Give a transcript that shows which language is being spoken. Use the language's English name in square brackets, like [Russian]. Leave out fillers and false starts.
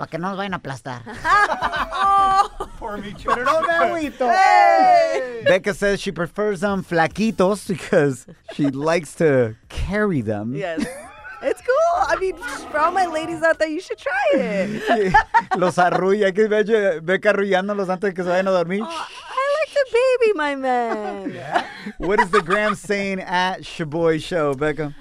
[Spanish] Para que no nos vayan a aplastar. Por mi [English] chorro. No, Becca says she prefers them flaquitos because she likes to carry them. Yes. It's cool. I mean, for all my ladies out there, you should try it. [Spanish] Los arrulla. Que vaya Becca arrullándolos antes de que se vayan a dormir. [English] The baby, my man. What is the gram saying at Shaboy Show, Becca?